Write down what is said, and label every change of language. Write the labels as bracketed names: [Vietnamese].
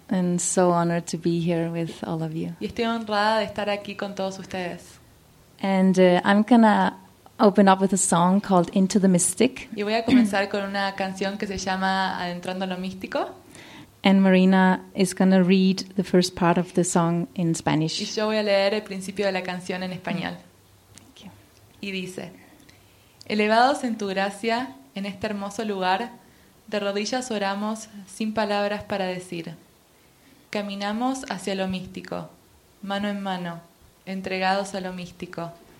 [English] And so honored to be here with all of you. [Spanish] Y estoy honrada de estar aquí con todos ustedes. [English] And I'm gonna open up with a song called "Into the Mystic." [Spanish] Y voy a comenzar con una canción que se llama "Adentrando en lo Místico." [English] And Marina is going to read the first part of the song in Spanish. [Spanish] Y yo voy a leer el principio de la canción en español. [English] Thank you. [Spanish] Y dice: Elevados en tu gracia, en este hermoso lugar, de rodillas oramos sin palabras para decir. Caminamos hacia lo místico, mano en mano, entregados a lo místico.